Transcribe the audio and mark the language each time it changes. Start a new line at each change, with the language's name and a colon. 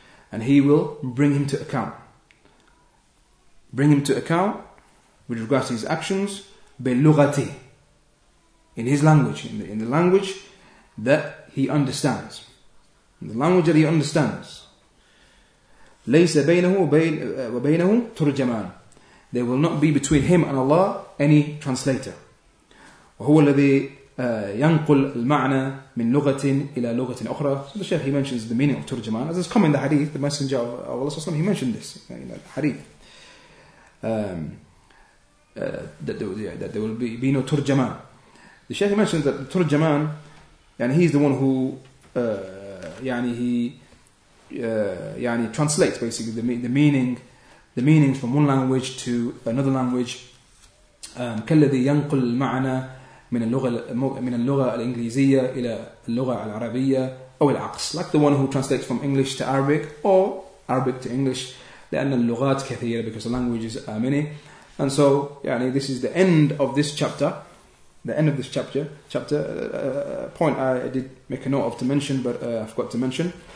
English: And he will bring him to account. Bring him to account with regards to his actions, بلغتي, in his language, in the language that he understands. In the language that he understands.
Arabic: ليس بينه وبينه ترجمان.
English: There will not be between him and Allah any translator.
Arabic: وهو الذي ينقل المعنى من لغة إلى لغة أخرى.
English: So the Shaykh, he mentions the meaning of ترجمان. As it's come in the hadith, the Messenger of Allah Sallallahu Alaihi Wasallam, he mentioned this in the hadith. That there will be no ترجمان. The Shaykh mentions that ترجمان, يعني, he's the one who translates basically the meaning from one language to another language.
Arabic: كالذي ينقل المعنى من اللغة الإنجليزية إلى اللغة العربية أو العقص.
English: Like the one who translates from English to Arabic or Arabic to English.
Arabic: لأن اللغات كثيرة,
English: because the languages are many. And so, يعني, this is the end of this chapter. The end of this chapter, point I did make a note of to mention, but I forgot to mention.